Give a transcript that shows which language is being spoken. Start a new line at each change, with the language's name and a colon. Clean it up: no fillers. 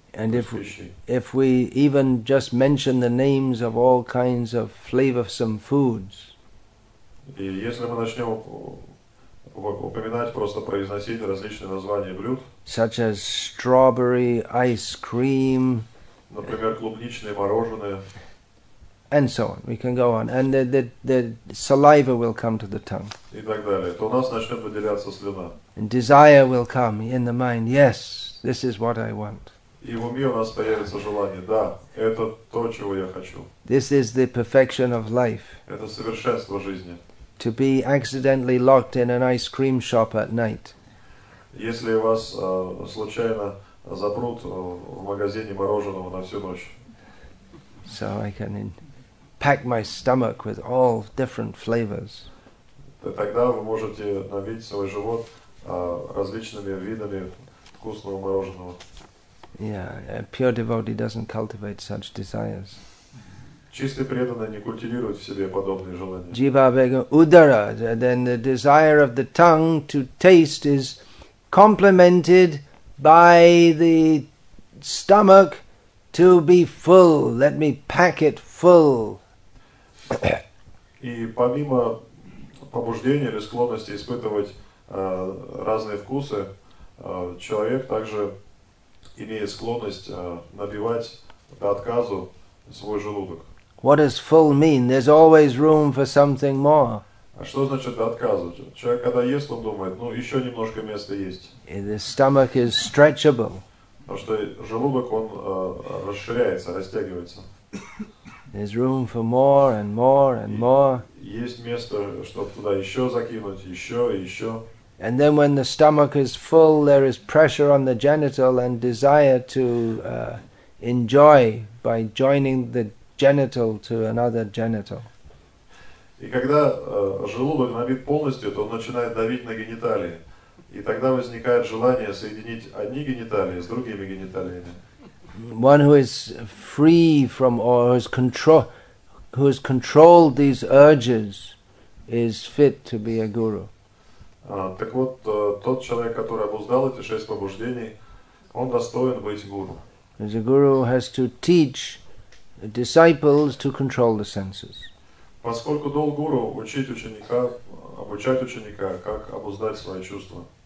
English: And if we even just mention the names of all kinds of flavorsome foods.
Russian: И если мы начнем упоминать, просто произносить различные названия блюд.
English: Such as strawberry ice cream.
Russian: Например, клубничное мороженое.
English: And so on. We can go on. And the saliva will come to the tongue.
Russian: И так далее. То у нас начнет выделяться слюна.
English: And desire will come in the mind. Yes, this is what I want.
Russian: И в уме у нас появится желание. Да, это то, чего я хочу.
English: This is the perfection of life.
Russian: Это совершенство жизни.
English: To be accidentally locked in an ice cream shop at night.
Russian: Если вас случайно запрут в магазине мороженого на всю ночь.
English: So I can pack my stomach with all different flavors.
Russian: Тогда вы можете набить свой живот различными видами вкусного мороженого.
English: Yeah, a pure devotee doesn't cultivate such desires.
Russian: Чистый преданный не культивирует в себе подобные желания.
English: Jiva vegam udara, then the desire of the tongue to taste is complemented by the stomach to be full. Let me pack it full.
Russian: И помимо побуждения или склонности испытывать разные вкусы, человек также имеет склонность набивать до отказу свой желудок.
English: What does full mean? There's always room for something more.
Russian: А что значит до отказа? Человек, когда ест, он думает, ну, еще немножко места есть.
English: And the stomach is stretchable.
Russian: Потому что желудок, он расширяется, растягивается.
English: There's room for more and more and more.
Russian: Есть место, чтобы туда еще закинуть, еще и еще.
English: And then when the stomach is full, there is pressure on the genital and desire to enjoy by joining the genital to another genital.
Russian: И когда желудок набит полностью, то он начинает давить на гениталии. И тогда возникает желание соединить одни гениталии с другими гениталиями.
English: One who is free from or who has controlled these urges is fit to be a guru.
Russian: Так вот, тот человек, который обуздал эти шесть побуждений, он достоин быть гуру.
English: As a guru has to teach disciples to control the senses.
Russian: Поскольку долг гуру учить ученика, обучать ученика, как обуздать свои чувства.